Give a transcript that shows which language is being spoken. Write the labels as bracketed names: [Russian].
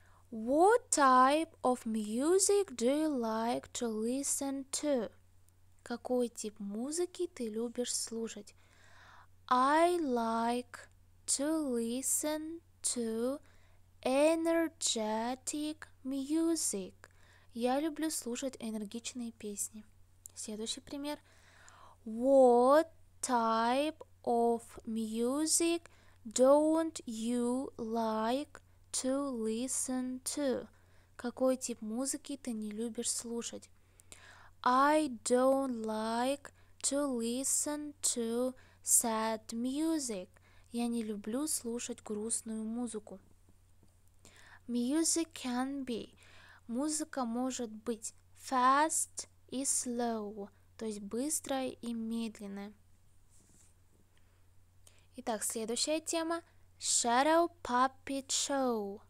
[English] What type of music do you like to listen to? [Russian] Какой тип музыки ты любишь слушать? [English] I like to listen to energetic music. [Russian] Я люблю слушать энергичные песни. Следующий пример. [English] What type of music don't you like to listen to? [Russian] Какой тип музыки ты не любишь слушать? [English] I don't like to listen to sad music. [Russian] Я не люблю слушать грустную музыку. [English] Music can be. [Russian] Музыка может быть fast и slow, то есть быстрая и медленная. Итак, следующая тема. Shadow Puppet Show.